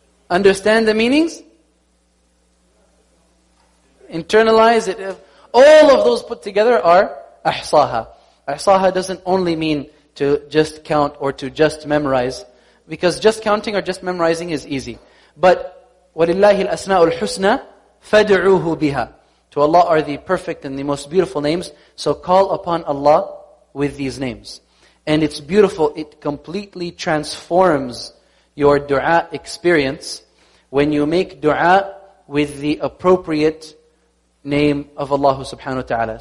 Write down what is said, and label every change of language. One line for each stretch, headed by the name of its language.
English: Understand the meanings? Internalize it. All of those put together are ahsaha. Ahsaha doesn't only mean to just count or to just memorize, because just counting or just memorizing is easy.
Arabic: But وَلِلَّهِ الْأَسْمَاءُ الْحُسْنَى فَدْعُوهُ بِهَا.
English: To Allah are the perfect and the most beautiful names, so call upon Allah with these names. And it's beautiful, it completely transforms your dua experience when you make dua with the appropriate name of Allah subhanahu wa ta'ala.